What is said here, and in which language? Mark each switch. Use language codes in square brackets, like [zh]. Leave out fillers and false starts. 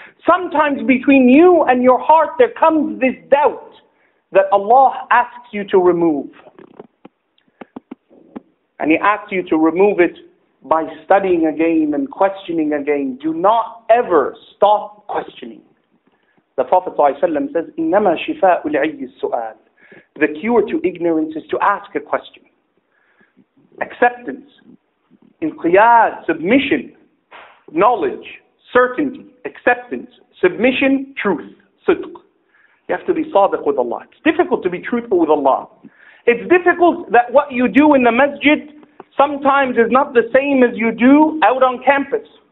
[en] Sometimes between you and your heart there comes this doubt that Allah asks you to remove. And He asks you to remove it by studying again and questioning again. Do not ever stop questioning. The Prophet ﷺ says, [ar] إِنَّمَا شِفَاءُ الْعِيِّ السُّؤَالِ. [en] The cure to ignorance is to ask a question. Acceptance, inqiyad, submission, knowledge, certainty, acceptance, submission, truth, sidq. You have to be sadiq with Allah. It's difficult to be truthful with Allah. It's difficult that what you do in the masjid sometimes is not the same as you do out on campus.